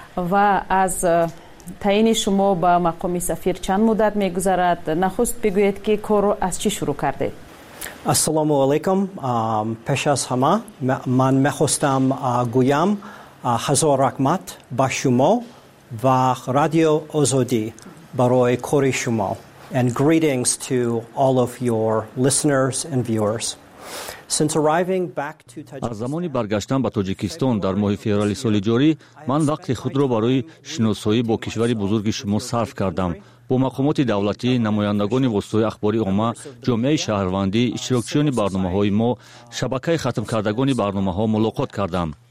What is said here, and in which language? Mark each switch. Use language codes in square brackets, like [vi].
[fa] و از تعیین شما با مقام سفیر چند مدت میگذرد؟ نخست بگویید که کار از چی شروع کردید؟ السلام علیکم. پیش از همه من میخواستم گویم هزار رحمت با شما و رادیو آزادی برای کاری شما. [en] And greetings to all of your listeners and viewers. Since arriving back to Tajikistan, [fa] از زمانی برگشتم به تاجیکستان در ماه فوریه سال جاری، من وقت خود را برای شناسایی با کشوری بزرگ شما صرف کردم. با مقامات دولتی، نمایندگان واسطه اخباری عامه، جامعه شهروندی، اشتراکچیان برنامه‌های ما، شبکه ختم کردگان برنامه‌ها ملاقات کردم.